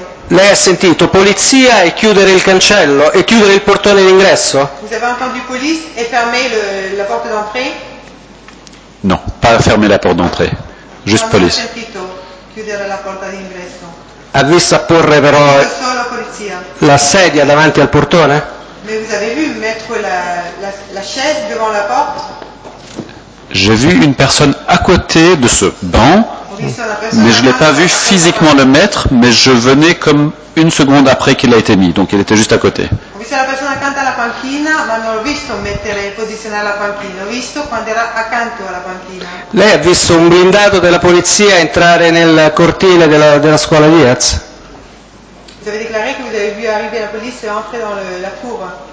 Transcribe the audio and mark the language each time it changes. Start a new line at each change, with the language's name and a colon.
Italian: Lei ha sentito polizia e chiudere il cancello e chiudere il portone d'ingresso?
French: Vous avez entendu police et fermer la porte d'entrée? Non, pas fermer la porte d'entrée, juste police.
Italian: Quando ha sentito chiudere la porta d'ingresso? Ha visto apporre però solo polizia. La sedia davanti al portone?
French: Mais vous avez vu mettre la chaise devant la porte? J'ai vu une personne à côté de ce banc. Mais je ne l'ai pas vu physiquement le mettre, mais je venais comme une seconde après qu'il a été mis, donc il était juste à côté.
Italian: Ho visto la persona accanto alla panchina, ma non l'ho visto posizionare la panchina, ho visto quando era accanto alla panchina. Lei ha visto un blindato della polizia entrare nel cortile della scuola Diaz?
French: Vous avez déclaré que vous avez vu arriver la police et entrer dans la cour?